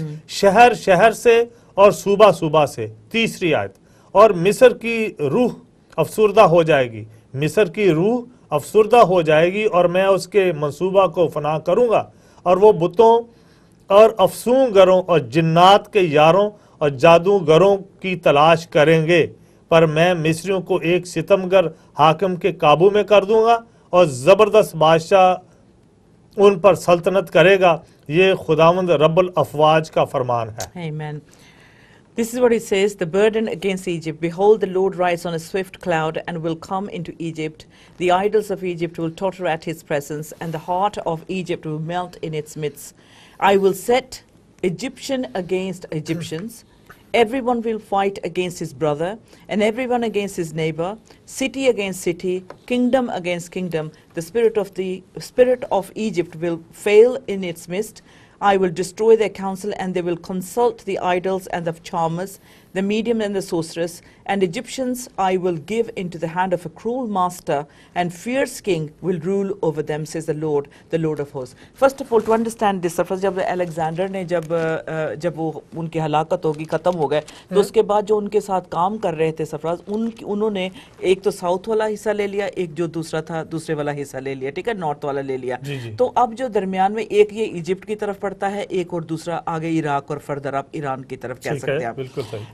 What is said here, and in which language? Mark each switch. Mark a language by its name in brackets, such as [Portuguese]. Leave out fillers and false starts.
[Urdu] شہر شہر سے اور صوبہ صوبہ سے. تیسری آیت, اور مصر کی روح افسردہ ہو جائے گی, مصر کی روح افسردہ ہو جائے گی, اور میں اس کے منصوبہ کو فنا کروں گا, اور وہ بتوں اور افسونگروں اور جنات کے یاروں اور جادوگروں کی تلاش کریں گے, پر میں مصریوں کو ایک ستمگر حاکم کے قابو میں کر دوں گا, اور زبردست بادشاہ ان پر سلطنت کرے گا. یہ خداوند رب الافواج کا فرمان ہے. آمین. [English] This is what he says, the burden against Egypt. Behold, the Lord rides on a swift cloud and will come into Egypt. The idols of Egypt will totter at his presence, and the heart of Egypt will melt in its midst. I will set Egyptian against Egyptians. Everyone will fight against his brother, and everyone against his neighbor, city against city, kingdom against kingdom. The spirit of Egypt will fail in its midst. I will destroy their counsel, and they will consult the idols and the charmers, the medium and the sorceress, and Egyptians I will give into the hand of a cruel master, and fierce king will rule over them, says the Lord of hosts. First of all, to understand this, [Urdu] Sarfraz, جب Alexander نے جب وہ ان کی ہلاکت ہوگی ختم ہو گئے, تو اس کے بعد جو ان کے ساتھ کام کر رہے تھے سرفراز, انہوں نے ایک تو ساؤتھ والا حصہ لے لیا, ایک جو دوسرا تھا دوسرے والا حصہ لے لیا, ٹھیک ہے, نارتھ والا لے لیا. تو اب جو درمیان میں ایک یہ ایجپٹ کی طرف پڑتا ہے, ایک اور دوسرا آگے عراق اور فردر آپ ایران کی طرف کہہ سکتے ہیں.